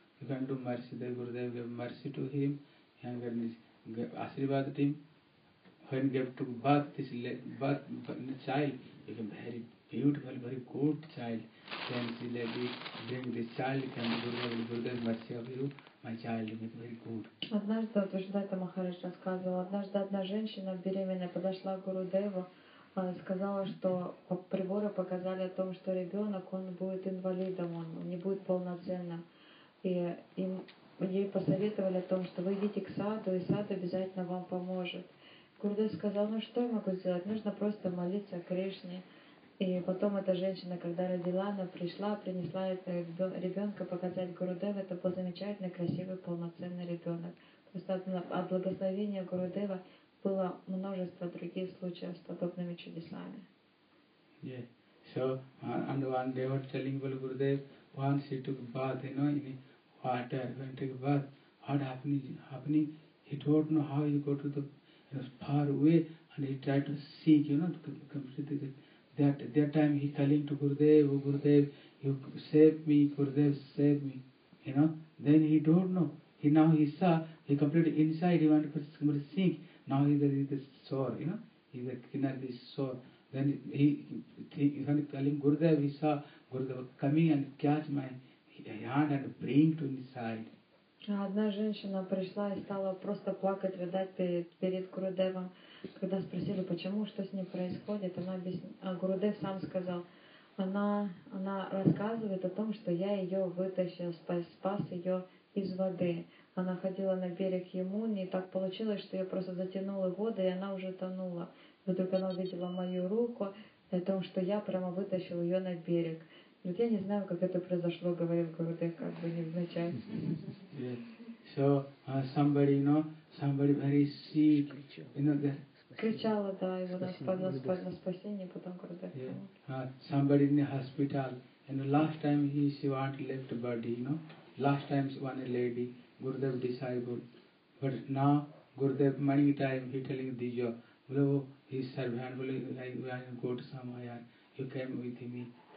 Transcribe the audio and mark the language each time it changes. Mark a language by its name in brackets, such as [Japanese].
[English] You can do mercy, the Gurudev gave mercy to him, younger niece, Ashribad team, when gave to birth this birth, child, became very beautiful, very good child. Then the lady bring this child, came to Gurudev, Gurudev mercy of you. [Russian] Однажды, вот Вишудайта Махарадж рассказывал, однажды одна женщина беременная подошла к Гурудеву, сказала, что приборы показали о том, что ребенок, он будет инвалидом, он не будет полноценным. И ей посоветовали о том, что вы идите к саду, и сад обязательно вам поможет. Гурудев сказал, ну что я могу сделать, нужно просто молиться Кришне. И потом эта женщина, когда родила, она пришла, принесла ребенка показать Гурудеву. Это был замечательный, красивый, полноценный ребенок. Просто от благословения Гурудева было множество других случаев с подобными чудесами. [English] Yeah. So, and one day was telling Gurudev, once he took bath, you know, in water, when he took bath, what happening? He don't know how he go to the far away, and he tried to seek, you know, to complete the That time he calling to Gurudev, oh Gurudev, you save me, Gurudev, save me, you know. Then he don't know. He now he saw, he completely inside, he wanted to sink. Now he is the sore, you know. He is the kinar, he is sore. Then he calling Gurudev, he saw Gurudev coming and catch my hand and bring to inside. [Russian] Одна женщина пришла и стала просто плакать, видать, перед Гурудевом. Когда спросили, почему, что с ней происходит, она объяснила, а Гурудев сам сказал, она рассказывает о том, что я ее вытащил, спас ее из воды. Она ходила на берег Ямуны, и так получилось, что ее просто затянуло воды, и она уже тонула. Вдруг она увидела мою руку, о том, что я прямо вытащил ее на берег. Вот я не знаю, как это произошло, говорил Гурудев, как бы не вначале. [English] Yes. So, somebody, you know, somebody very sick, you know, the... [Russian] Кричала, да, и вот спасла спасение, потом Гурудев. [English] Yeah. Somebody in the hospital, and last time she want left body, you know. Last time she was a lady, Gurudev disciple. But now, Gurudev, many times, he telling Dijo, his servant, I go to Samaya, you came with me.